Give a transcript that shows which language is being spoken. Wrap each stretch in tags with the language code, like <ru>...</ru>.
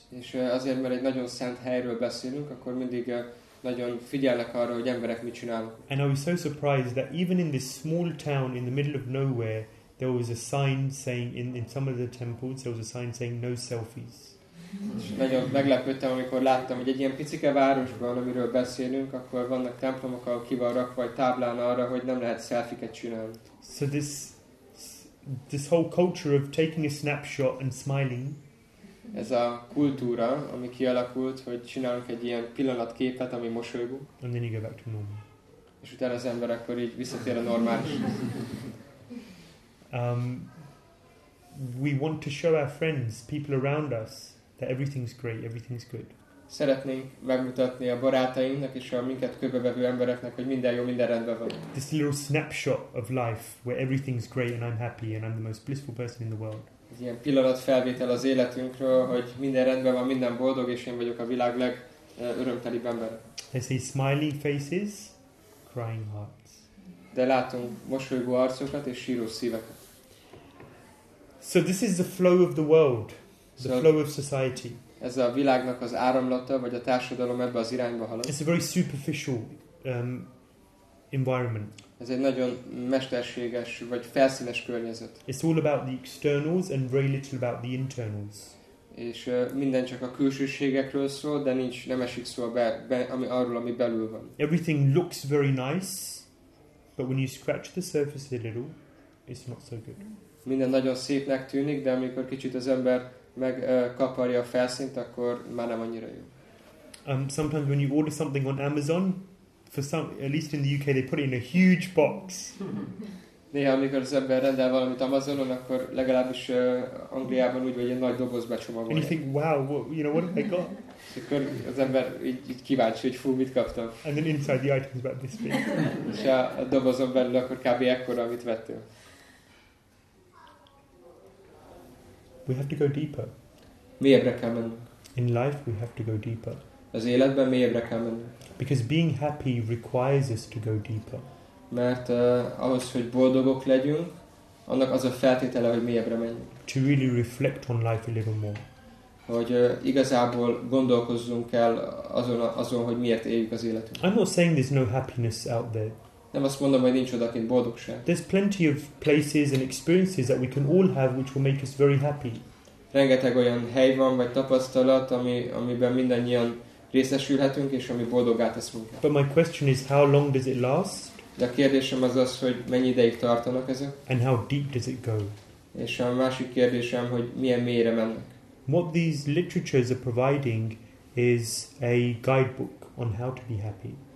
<hu>És azért, mert egy nagyon szent helyről beszélünk, akkor mindig nagyon figyelnek arra, hogy emberek mit csinálnak.</hu> <en>And I was so surprised that even in this small town in the middle of nowhere, there was a sign saying in some of the temples there was a sign saying no selfies.</en> <hu>És nagyon meglepődtem, amikor láttam, hogy egy ilyen picike városban, amiről beszélünk, akkor vannak templomok, ahol ki van rakva egy táblán arra, hogy nem lehet selfieket csinálni.</hu> <en>So this whole culture of taking a snapshot and smiling.</en> <hu>Ez a kultúra, ami kialakult, hogy csinálunk egy ilyen pillanatképet, ami mosolygó.</hu> <en>And then you go back to normal.</en> <hu>És utána az ember akkor így visszatér a normális.</hu> <en>We want to show our friends, people around us, that everything's great, everything's good.</en> <hu>Szeretnénk megmutatni a barátainknak és a minket körbevevő embereknek, hogy minden jó, minden rendben van.</hu> <en>This little snapshot of life where everything's great and I'm happy and I'm the most blissful person in the world.</en> <hu>Ez ilyen pillanatfelvétel az életünkről, hogy minden rendben van, minden boldog, és én vagyok a világ legörömtelibb ember.</hu> <en>They see smiling faces, crying hearts.</en> <hu>De látunk mosolygó arcokat és síró szíveket.</hu> <en>So this is the flow of the world, the flow of society.</en> <hu>Ez a világnak az áramlata, vagy a társadalom ebbe az irányba halad.</hu> <en>It's a very superficial environment.</en> <hu>Ez egy nagyon mesterséges, vagy felszínes környezet.</hu> <en>It's all about the externals and very little about the internals.</en> <hu>És minden csak a külsőségekről szól, de nincs, nem esik szó arról, ami belül van.</hu> <en>Everything looks very nice, but when you scratch the surface a little, it's not so good.</en> <hu>Minden nagyon szépnek tűnik, de amikor kicsit az ember meg kaparja a felszínt, akkor már nem annyira jó.</hu> <en>Sometimes when you order something on Amazon, for some, at least in the UK, they put it in a huge box.</en> <hu>Néha, amikor az ember rendel valamit Amazonon, akkor legalábbis Angliában úgy vagy egy nagy dobozba csomagolják.</hu> <en>And you think, wow, what, you know, what have I got?</en> <hu>És akkor az ember így kíváncsi, hogy fú, mit kaptam.</hu> <en>And then inside the item is about this big.</en> <hu>És a dobozon belül akkor kb. Ekkora, amit vettél.</hu> <en>We have to go deeper.</en> <hu>Mélyebbre kell menni.</hu> <en>In life we have to go deeper.</en> <hu>Az életben mélyebbre kell menni.</hu> <en>Because being happy requires us to go deeper.</en> <hu>Mert ahhoz, hogy boldogok legyünk, annak az a feltétele, hogy mélyebbre menjünk.</hu> <en>To really reflect on life a little more.</en> <hu>Hogy igazából gondolkozzunk el azon, hogy miért éljük az életünk.</hu> <en>I'm not saying there's no happiness out there.</en> <hu>Nem azt mondom, hogy nincs odakint boldogság.</hu> <en>There's plenty of places and experiences that we can all have which will make us very happy.</en> <hu>Rengeteg olyan hely van, vagy tapasztalat, amiben mindannyian részesülhetünk, és ami boldoggá tesz minket.</hu> <en>But my question is, how long does it last?</en> <hu>De a kérdésem az, hogy mennyi ideig tartanak ezek?</hu> <en>And how deep does it go?</en> <hu>És a másik kérdésem, hogy milyen mélyre mennek?</hu> <en>What these literatures are providing is a guidebook on how to be happy.</en>